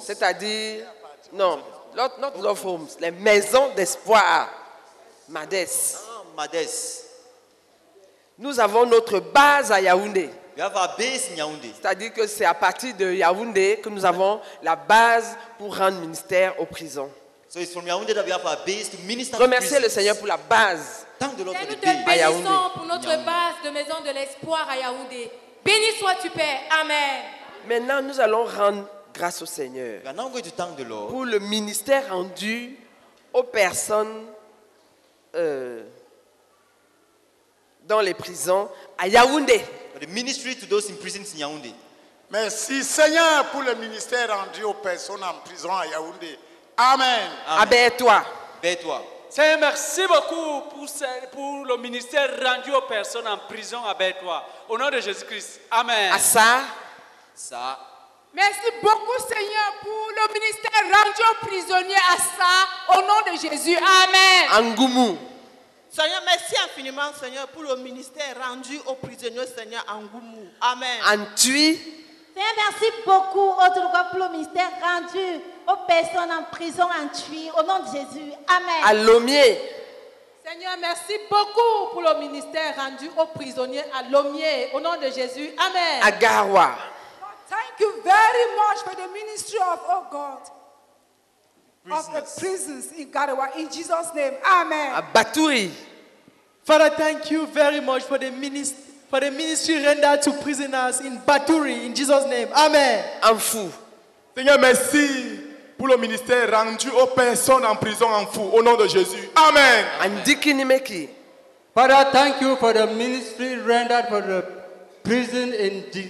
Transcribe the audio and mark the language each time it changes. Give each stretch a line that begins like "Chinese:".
French: c'est-à-dire, non,
English: not love homes,
French: les maisons d'espoir, Mades. Mades. Nous avons notre base à Yaoundé.
English: We have our base in Yaoundé.
French: C'est-à-dire que c'est à partir de Yaoundé que nous avons la base pour rendre ministère aux prisons.
English: So it's from Yaoundé that we have our base to minister.
French: Remercier le Seigneur pour la base.
English: Thank the Lord for the base.
French: Nous te bénissons pour notre base de maison de l'espoir à Yaoundé. Béni sois-tu Père. Amen. Maintenant nous allons rendre grâce au Seigneur.
English: We are now going to thank the Lord
French: pour le ministère rendu aux personnes dans les prisons à Yaoundé.
English: The ministry to those in prisons in Yaoundé.
French: Merci Seigneur pour le ministère rendu aux personnes en prison à Yaoundé. Amen. Abaisse-toi. Abaisse-toi. Seigneur, merci beaucoup pour le ministère rendu aux personnes en prison. Abaisse-toi. Au nom de Jésus-Christ. Amen. À ça. Ça. Merci beaucoup Seigneur pour le ministère rendu aux prisonniers. À ça. Au nom de Jésus. Amen. Angoumou. Seigneur, merci infiniment, Seigneur, pour le ministère rendu aux prisonniers, Seigneur, en Goumou. Amen. En Tui. Seigneur, merci beaucoup, autre fois, pour le ministère rendu aux personnes en prison en Tui. Au nom de Jésus. Amen. À Lomier. Seigneur, merci beaucoup pour le ministère rendu aux prisonniers à Lomier. Au nom de Jésus. Amen. À Garoua.
English: Thank you very much for the ministry of, oh God, of the prisons in Garoua, in Jesus' name. Amen.
French: À Batouri.
English: Father, thank you very much for the ministry rendered to prisoners in Batouri, in Jesus' name. Amen.
French: Amfou. Seigneur, merci pour le ministère rendu aux personnes en prison Amfou, au nom de Jésus. Amen. Andiki Nimeki.
English: Father, thank you for the ministry rendered for the prison in